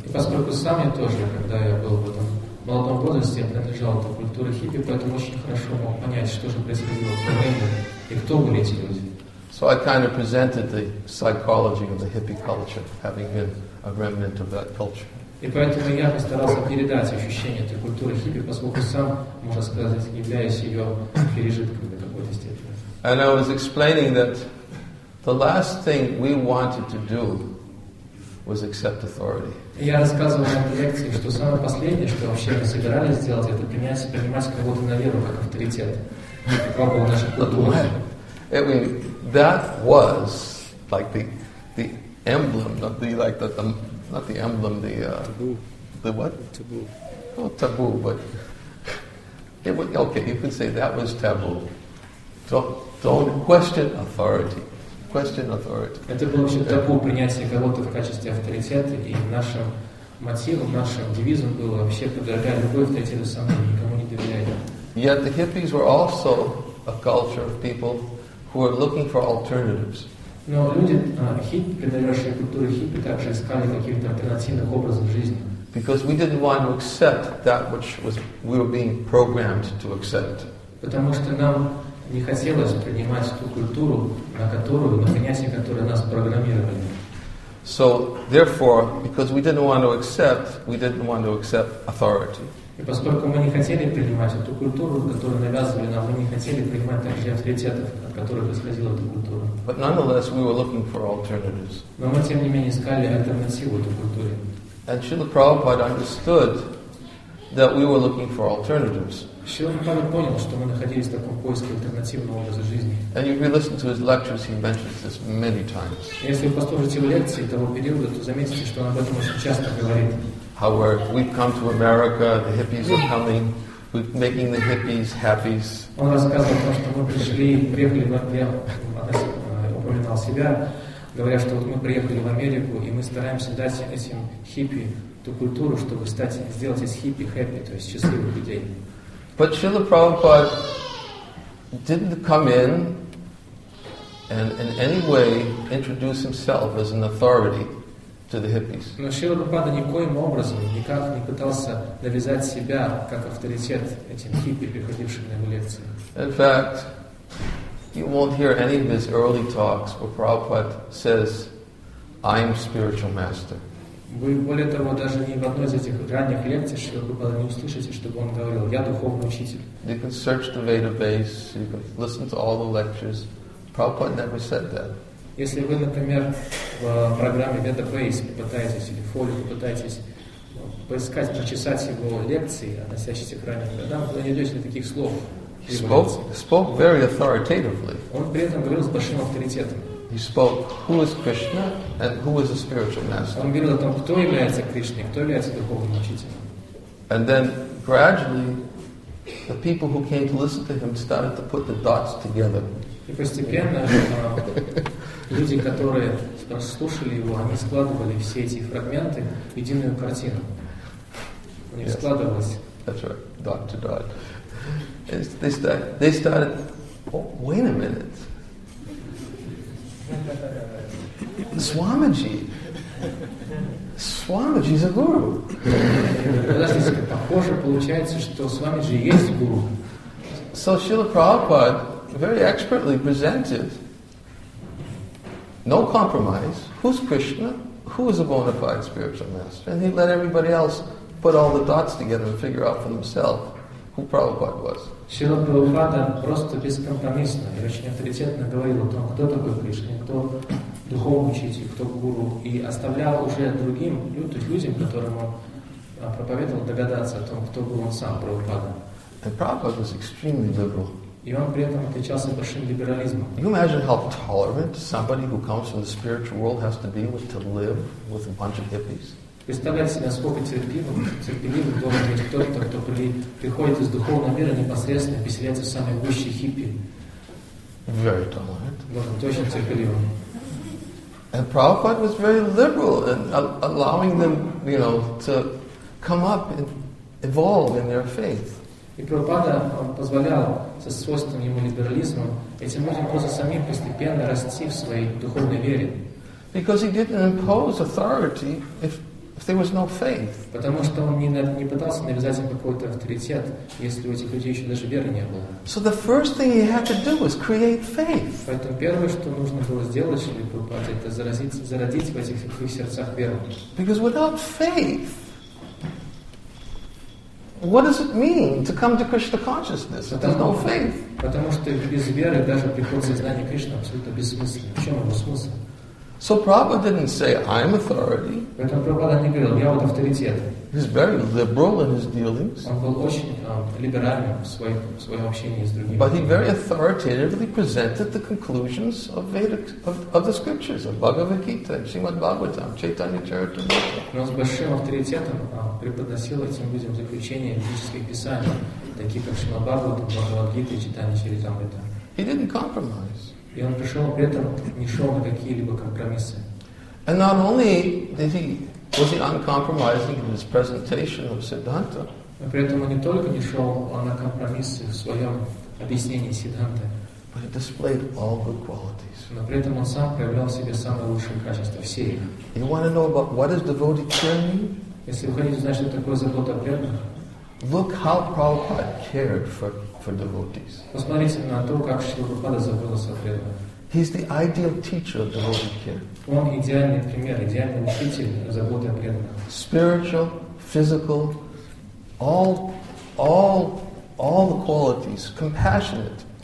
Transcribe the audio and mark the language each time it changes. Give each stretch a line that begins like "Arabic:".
Russian: И поскольку сам я тоже, когда я был в этом молодом возрасте, я принадлежал к культуре хиппи, поэтому очень хорошо мог понять, что же происходило в то время и кто были эти люди.
English: So I kind of presented the psychology of the hippie culture, having been a remnant of that culture.
Russian: И поэтому я постарался передать ощущение этой культуры хиппи, поскольку сам, можно сказать, являюсь ее пережитком до какой-то степени.
English: And I was explaining that the last thing we wanted to do was accept authority.
Russian: Я рассказывал на этой лекции, что самое последнее, что вообще мы собирались сделать, это принимать кого-то на веру как авторитет.
English: That was like the emblem, not the like the not the emblem, the taboo. The what? Taboo. Not taboo, but it was, okay, you can say that was taboo. Don't question authority. Question authority.
Russian: Это было вообще табу принятие кого-то в качестве авторитета, и нашим мотивом, нашим девизом было вообще подвергать любой авторитет и сам никому не доверять.
English: Yet the hippies were also a culture of people who are looking for alternatives.
Russian: Но люди, хиппи, принадлежащие культуре хиппи, также искали каких-то альтернативных образов жизни.
English: Because we didn't want to accept that which was we were being programmed to accept.
Russian: Потому что нам не хотелось принимать ту культуру, на которую, на принятие которой нас программировали.
English: So, therefore, because we didn't want to accept, we didn't want to accept authority.
Russian: И поскольку мы не хотели принимать эту культуру, которую навязывали нам, мы не хотели принимать также авторитетов, от которых исходила эта культура.
English: But nonetheless, we were looking for alternatives.
Russian: Но мы, тем не менее, искали альтернативу этой культуре.
English: And Srila Prabhupada understood that we were looking for alternatives.
Russian: Понял, что мы находились в таком поиске альтернативного образа жизни.
English: And if you listen to his lectures, he mentions this many times.
Russian: Если вы послушаете его лекции того периода, то заметите, что он об этом очень часто говорит.
English: How we've come to America, the hippies are coming, we're making the hippies happy.
Russian: Он рассказывал о том, что мы пришли, приехали в Америку, упоминал себя, говоря, что вот мы приехали в Америку, и мы стараемся дать этим хиппи ту культуру, чтобы стать, сделать из хиппи happy, то есть счастливых людей.
English: But Srila Prabhupada didn't come in and in any way introduce himself as an authority to the hippies.
Russian: Но Шрила Прабхупада никоим образом никак не пытался навязать себя как авторитет этим хиппи, приходившим на его лекции.
English: In fact, you won't hear any of his early talks where Prabhupada says, "I am spiritual master."
Russian: Вы, более того, даже ни в одной из этих ранних лекций Шрила Прабхупада не услышите, чтобы он говорил, я духовный учитель.
English: You can search the Veda base, you can listen to all the lectures. Prabhupada never said that.
Russian: Если вы, например, в программе Veda base попытаетесь, или фолио попытаетесь поискать, прочесать его лекции, относящиеся к ранним годам, вы найдете таких слов.
English: He spoke very authoritatively.
Russian: Он при этом говорил с большим авторитетом.
English: He spoke, who is Krishna and who is a spiritual master.
Russian: Он говорил о том, кто является Кришной, кто является духовным учителем.
English: And then gradually, the people who came to listen to him started to put the dots together.
Russian: И постепенно люди, которые слушали его, они складывали все эти фрагменты в единую картину. У них складывалось.
English: That's right, dot to dot. they started, oh, wait a minute. Swamiji is a guru.
Russian: Похоже получается, что Swamiji есть гуру.
English: So Srila Prabhupada very expertly presented no compromise. Who's Krishna? Who is a bona fide spiritual master? And he let everybody else put all the dots together and figure out for themselves who Prabhupada was.
Russian: Srila Prabhupada просто бескомпромиссно и очень авторитетно говорил о том, кто такой Кришна, кто духовный учитель, кто гуру, и оставлял уже другим людям, которым он проповедовал, догадаться о том, кто был он сам, Прабхупада.
English: And Prabhupada was extremely liberal.
Russian: И он при этом отличался большим либерализмом.
English: You imagine how tolerant somebody who comes from the spiritual world has to be with to live with a bunch of hippies?
Russian: Представляете себе, насколько терпеливым должен быть кто-то, кто приходит из духовного мира непосредственно и поселяется в самые гуще хиппи.
English: Very tolerant.
Russian: Должен быть очень терпеливым.
English: And Prabhupada was very liberal in allowing them, you know, to come up and evolve in their faith.
Russian: И Прабхупада позволял со свойством ему либерализмом этим людям просто самим постепенно расти в своей духовной вере.
English: Because he didn't impose authority if there was no faith.
Russian: Потому что он не пытался навязать им какой-то авторитет, если у этих людей еще даже веры не было.
English: So the first thing he had to do was create faith.
Russian: Поэтому первое, что нужно было сделать, чтобы Прабхупада, это зародить в этих всех сердцах веру.
English: Because without faith, what does it mean to come to Krishna consciousness? There's no faith.
Russian: Потому что без веры даже приход в сознание Кришны абсолютно бессмыслен. В чем его смысл?
English: So Prabhupada didn't say, I'm authority.
Russian: Поэтому Прабхупада не говорил, я вот авторитет.
English: He's very liberal in his dealings.
Russian: Он был очень либеральным в своем общении с другими.
English: But he very authoritatively presented the conclusions of Vedic, of the scriptures, of Bhagavad Gita, Srimad Bhagavatam, Chaitanya Charitamrita.
Russian: Но он с большим авторитетом преподносил этим людям заключения ведических писаний, такие как Шримад Бхагаватам, Бхагавад Гита и Чайтанья Чаритамрита.
English: He didn't compromise.
Russian: И он пришел при этом не шел на какие-либо компромиссы.
English: And not only did he was he uncompromising in his presentation of Siddhanta.
Russian: Но при этом он не только не шел на компромиссы в своем объяснении Сиддханты.
English: But he displayed all good qualities.
Russian: Но при этом он сам проявлял в себе самые лучшие качества все.
English: You want to know about what is devotee care mean?
Russian: Если вы хотите знать, что такое забота о преданных.
English: Look how Prabhupada cared for devotees.
Russian: Посмотрите на то, как Шрила Прабхупада заботился о преданных.
English: He's the ideal teacher of devotee care.
Russian: Он идеальный пример, идеальный учитель заботы о преданных.
English: Spiritual, physical, all the qualities, compassionate.